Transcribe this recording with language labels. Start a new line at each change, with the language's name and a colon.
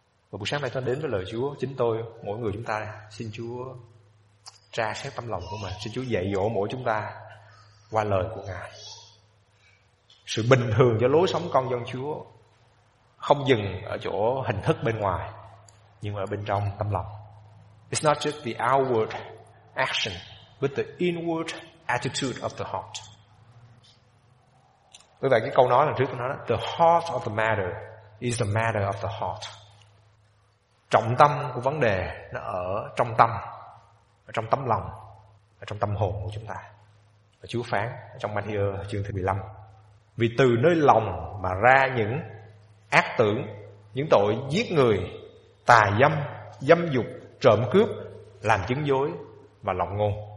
Vietnamese: Và buổi sáng nay tôi đến với lời Chúa, chính tôi, mỗi người chúng ta, xin Chúa tra xét tấm lòng của mình, xin Chúa dạy dỗ mỗi chúng ta qua lời của Ngài. Sự bình thường cho lối sống con dân Chúa không dừng ở chỗ hình thức bên ngoài, nhưng ở bên trong tâm lòng.
English: It's not just the outward action, but the inward attitude of the heart.
Vietnamese: Bởi vậy cái câu nói lần trước tôi nói đó,
English: the heart of the matter is the matter of the heart.
Vietnamese: Trọng tâm của vấn đề nó ở trong tâm, ở trong tấm lòng, ở trong tâm hồn của chúng ta. Và Chúa phán trong Ma-thi-ơ chương thứ 15, vì từ nơi lòng mà ra những ác tưởng, những tội giết người, tà dâm, dâm dục, trộm cướp, làm chứng dối và lọng ngôn.